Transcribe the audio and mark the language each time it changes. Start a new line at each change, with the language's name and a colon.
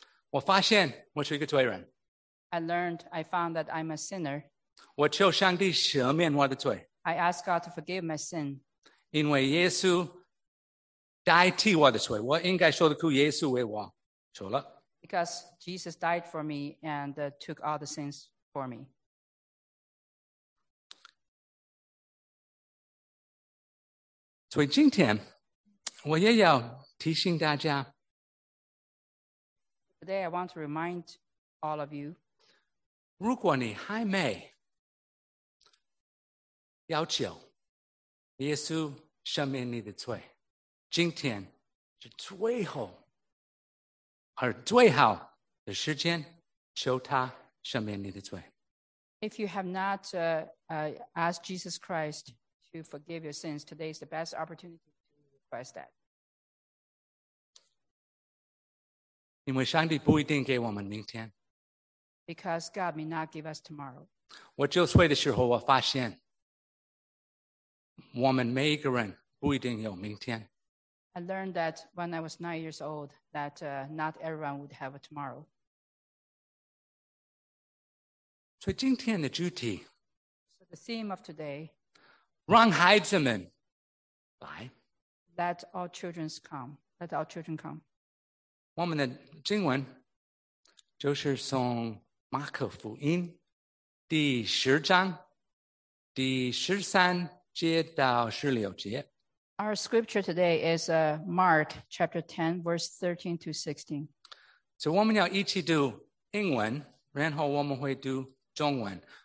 Chinese: 我发现我是一个罪人。
English: I found that I'm a sinner.
Chinese: 我求上帝赦免我的罪。
English: I ask God to forgive my sin.
Chinese: 因为耶稣代替我的罪，我应该受的苦，耶稣为我受了。
English: Because Jesus died for me and took all the sins for me.
Chinese: 所以今天我也要提醒大家
English: Today I want to remind all of you
Chinese: 如果你还没要求耶稣赦免你的罪今天是最后而最好的时间求他赦免你的罪
English: If you have not asked Jesus ChristTo forgive your sins, today is the best opportunity to request that.
Chinese: 因为上帝不一定给我们明天。
English: Because God may not give us tomorrow.
Chinese: 我就睡的时候我发现我们每一个人不一定有明天。
English: I learned that when I was 9 years old, that not everyone would have a tomorrow.
Chinese: 所以今天的主题
English: So the theme of today,
Chinese: 让孩子们来
English: Let all children come. Let all children come.
Chinese: 我们的经文就是从马可福音第十章第十三节到十六节。
English: Our scripture today is Mark chapter 10, verse 13 to 16.
Chinese: 所以我们要一起读英文，然后我们会读中文。